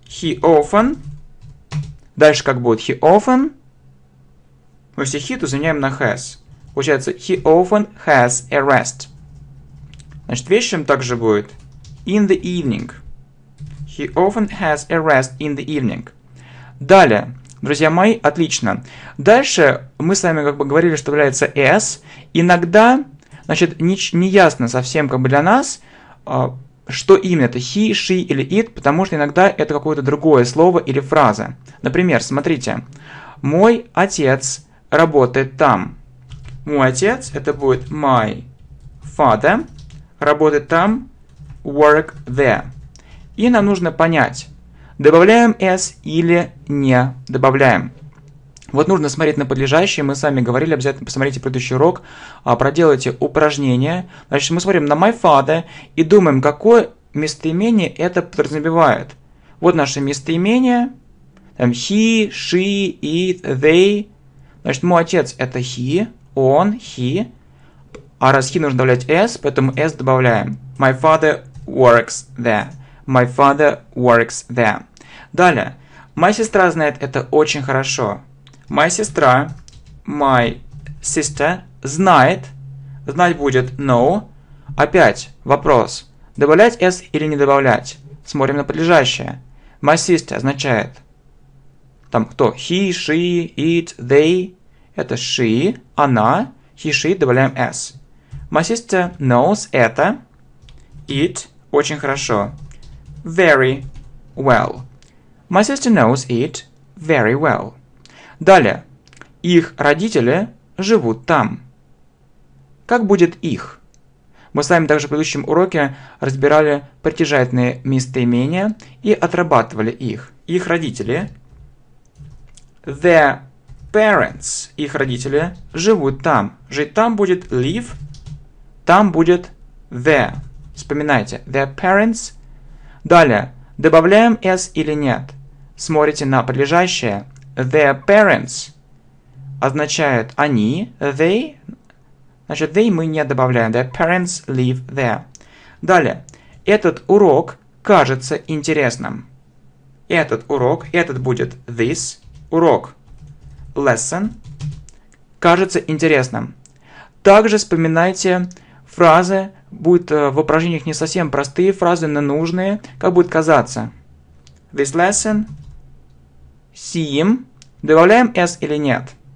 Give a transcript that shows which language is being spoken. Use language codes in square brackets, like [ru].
[en] He often. [ru] Дальше как будет? [en] He often. [ru] Мы все he заменяем на has. Получается, [en] he often has a rest. [ru] Значит, вечером также будет [en] in the evening. He often has a rest in the evening. [ru] Далее. Друзья мои, отлично. Дальше мы с вами как бы говорили, что является S. Иногда, значит, не ясно совсем как бы для нас, что именно это he, she или it, потому что иногда это какое-то другое слово или фраза. Например, смотрите. Мой отец работает там. Мой отец, это будет [en] my father, [ru] работает там, [en] work there. [ru] И нам нужно понять, добавляем S или не добавляем. Вот нужно смотреть на подлежащее. Мы с вами говорили, обязательно посмотрите предыдущий урок. Проделайте упражнение. Значит, мы смотрим на [en] my father [ru] и думаем, какое местоимение это подразумевает. Вот наше местоимение. [en] Там he, she, it, they. [ru] Значит, мой отец это [en] he, [ru] он, he. А раз he нужно добавлять S, поэтому S добавляем. [en] My father works there. My father works there. Далее. [ru] Моя сестра знает это очень хорошо. Моя сестра, [en] my sister, [ru] знает. Знать будет know. Опять вопрос. Добавлять S или не добавлять? Смотрим на подлежащее. [en] My sister [ru] означает. Там кто? [en] He, she, it, they. [ru] Это [en] she, [ru] она. [en] He, she, [ru] добавляем [en] S. My sister knows [ru] это. [en] It [ru] очень хорошо. [en] Very well. My sister knows it very well. [ru] Далее. Их родители живут там. Как будет их? Мы с вами также в предыдущем уроке разбирали притяжательные местоимения и отрабатывали их. Их родители. [en] Their parents. [ru] Их родители живут там. Жить там будет live. Там будет their. [en] Вспоминайте. Their parents. [ru] Далее, добавляем S или нет? Смотрите на подлежащее. Their parents означает они, they. Значит, they мы не добавляем. [en] Their parents live there. [ru] Далее, этот урок кажется интересным. Этот урок, этот будет [en] this, [ru] урок, [en] lesson, [ru] кажется интересным. Также вспоминайте фразы, будут в упражнениях не совсем простые фразы, но нужные, как будет казаться. [en] This lesson, seem, [ru] добавляем s или нет.